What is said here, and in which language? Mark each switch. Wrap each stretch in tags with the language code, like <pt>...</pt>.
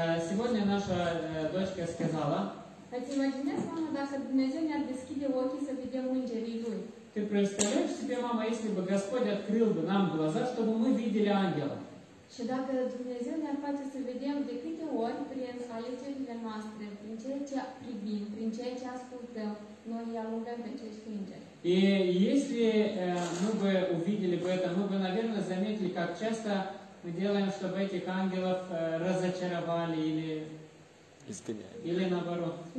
<ru>Сегодня наша дочка сказала:</ru> <ro>«Ați imaginați, mama, dacă Dumnezeu ne-ar deschide ochii să vedem îngerii Lui?»</ro> <ru>Ты представляешь себе, мама, если бы Господь открыл бы нам глаза, чтобы мы видели ангела?</ru> <ro>Și dacă Dumnezeu ne-ar face să vedem de câte ori prin alegerile noastre, prin ceea ce privim, prin ceea ce ascultăm, noi îi alungăm pe acești îngeri.</ro> <ru>И если мы бы увидели бы это, мы бы, наверное, заметили, как часто мы делаем, чтобы этих ангелов разочаровали или... Или наоборот.</ru>